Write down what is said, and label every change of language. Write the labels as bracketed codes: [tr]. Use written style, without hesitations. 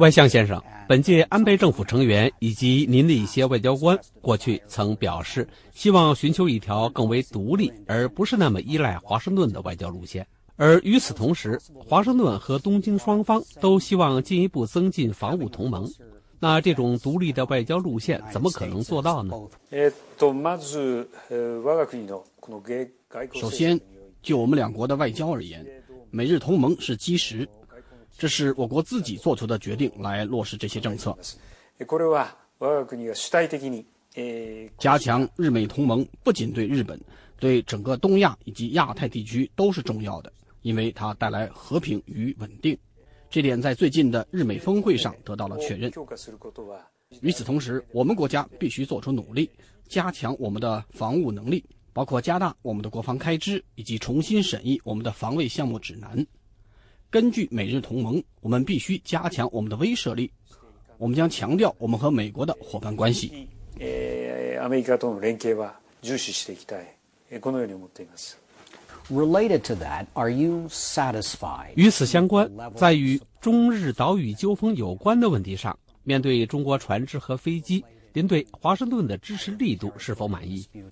[zh] 外相先生，本届安倍政府成员以及您的一些外交官过去曾表示，希望寻求一条更为独立而不是那么依赖华盛顿的外交路线。而与此同时，华盛顿和东京双方都希望进一步增进防务同盟。那这种独立的外交路线怎么可能做到呢？ [ja] まず我が国のこの外交。 [zh] 首先，就我们两国的外交而言。美日同盟是基石，这是我国自己做出的决定来落实这些政策。 [ja] これは我が国が主体的に [zh] 加强日美同盟，不仅对日本，对整个东亚以及亚太地区都是重要的，因为它带来和平与稳定。这点在最近的日美峰会上得到了确认。与此同时，我们国家必须做出努力，加强我们的防务能力。包括加大我们的国防开支，以及重新审议我们的防卫项目指南。根据美日同盟，我们必须加强我们的威慑力。我们将强调我们和美国的伙伴关系。 [ja] アメリカとの連携は重視していきたい。このように思っています。 [en] Related to that, are you satisfied? [zh] 与此相关，在与中日岛屿纠纷有关的问题上，面对中国船只和飞机，您对华盛顿的支持力度是否满意？